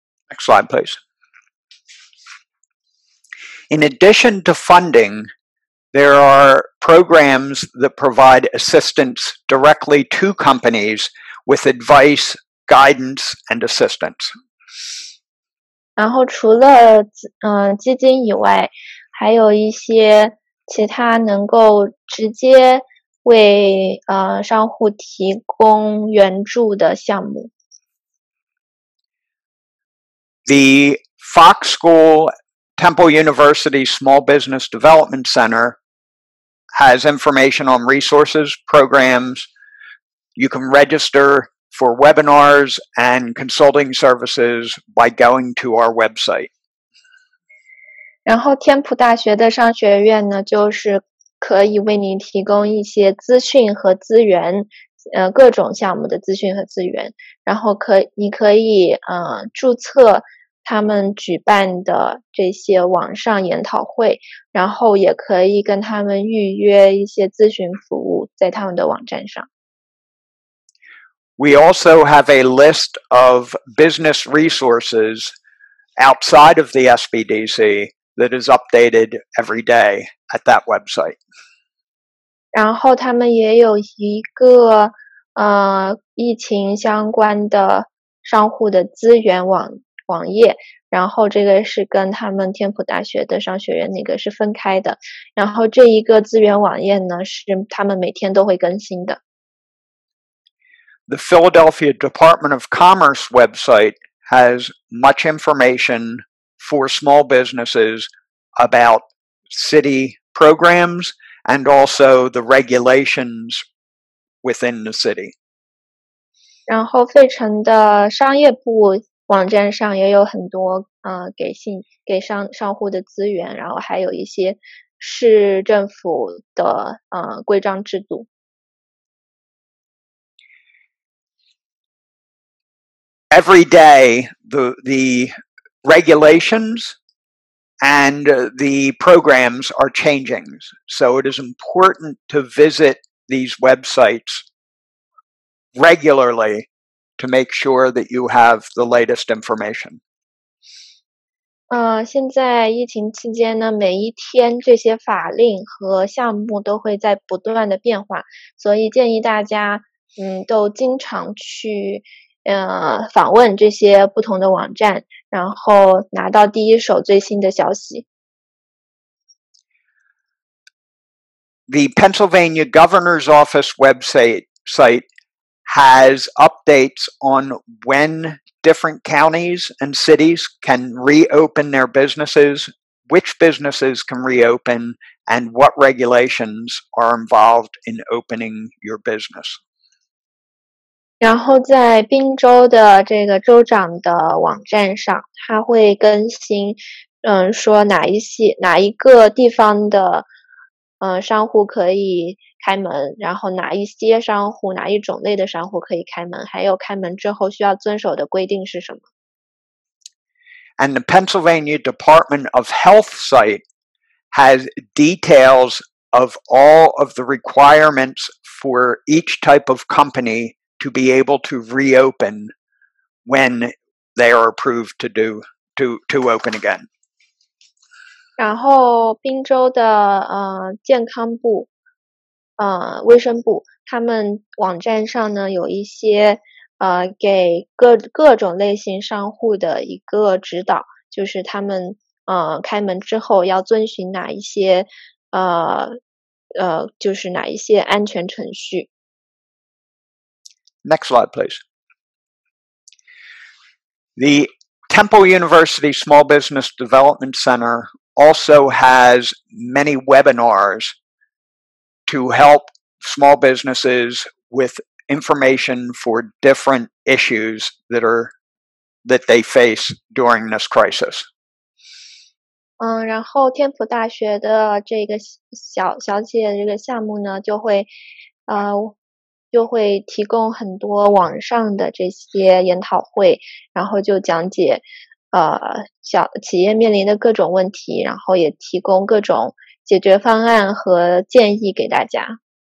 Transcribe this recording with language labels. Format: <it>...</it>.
<en>Next slide, please. In addition to funding, there are programs that provide assistance directly to companies with advice, guidance, and assistance.</en> <zh>然后除了基金以外，还有一些其他能够直接为商户提供援助的项目。</zh> <en>The Fox School Temple University Small Business Development Center has information on resources, programs. You can register for webinars and consulting services by going to our website.</en> <zh>然后天普大学的商学院呢，就是可以为你提供一些资讯和资源，各种项目的资讯和资源。然后你可以注册他们举办的这些网上研讨会，然后也可以跟他们预约一些咨询服务在他们的网站上。</zh> <en>We also have a list of business resources outside of the SBDC that is updated every day at that website.</en> <zh>然后他们也有一个疫情相关的商户的资源网页，然后这个是跟他们天普大学的商学院那个是分开的，然后这一个资源网页呢是他们每天都会更新的。</zh> <en>The Philadelphia Department of Commerce website has much information for small businesses about city programs and also the regulations within the city.</en> <zh>然后费城的商业部网站上也有很多给商户的资源，然后还有一些市政府的规章制度。</zh> <en>Every day, the regulations and the programs are changing, so it is important to visit these websites regularly to make sure that you have the latest information.</en> <zh>现在疫情期间呢，每一天这些法令和项目都会在不断的变化，所以建议大家都经常去访问这些不同的网站，然后拿到第一手最新的消息。</zh> <en>The Pennsylvania Governor's Office website has updates on when different counties and cities can reopen their businesses, which businesses can reopen, and what regulations are involved in opening your business.</en> <zh>然后在宾州的这个州长的网站上，他会更新说哪一个地方的商户可以开门，然后哪一些商户，哪一种类的商户可以开门，还有开门之后需要遵守的规定是什么。</zh> <en>And the Pennsylvania Department of Health site has details of all of the requirements for each type of company to be able to reopen when they are approved to do to open again.</en> <zh>然后宾州的健康部卫生部他们网站上呢有一些给各种类型商户的一个指导，就是他们开门之后要遵循哪一些安全程序。</zh> <en>Next slide, please. The Temple University Small Business Development Center also has many webinars to help small businesses with information for different issues that they face during this crisis.</en> <zh>然后天普大学的这个小姐的这个项目呢，就会提供很多网上的这些研讨会，然后就讲解小企业面临的各种问题，然后也提供各种解决方案和建议给大家。</zh>